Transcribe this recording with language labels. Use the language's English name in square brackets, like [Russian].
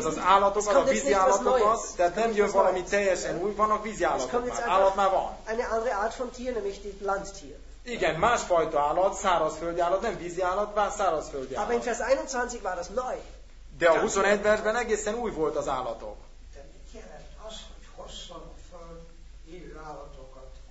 [Hungarian] tehát az állatokat, a vízi állatokat, tehát nem jön valami teljesen új, vannak vízi állatok már. Állat már van. [German] Eine andere Art von Tier, nämlich die Landtier. [Hungarian] Igen, másfajta állat, szárazföldi állat, nem vízi állat, bár szárazföldi állat. [German] Aber in Vers 21 war das neu. [Hungarian] De a 21 versben egészen új volt az állatok. De mit jelent az, hogy hozzanak föl élő állatokat?